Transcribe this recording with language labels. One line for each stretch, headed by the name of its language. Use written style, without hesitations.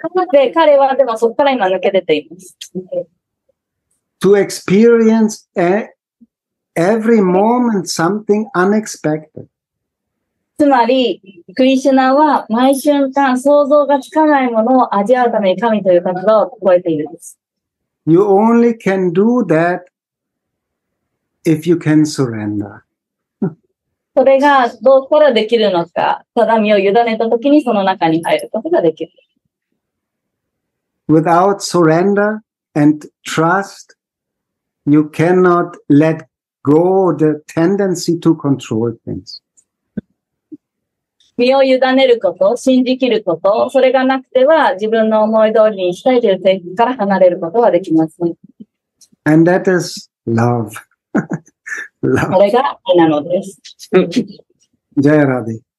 Japanese: で、彼はでもそこから今抜け出ています。
English: To experience every moment something unexpected.
Japanese: つまり、クリシュナは毎瞬間想像がつかないものを味わうために神という言葉を超えているんです。
English: You only can do that if you can surrender.
Japanese: それがどこからできるのか、定めを委ねたときにその中に入ることができる。
English: Without surrender and trust, you cannot let go the tendency to control things.
Japanese: 身を委ねること、信じ切ること、それがなくては自分の思い通りにしたいという点から離れることはできません。
English: And that is love.
Japanese: love. それが愛なのです。ジャイラディ。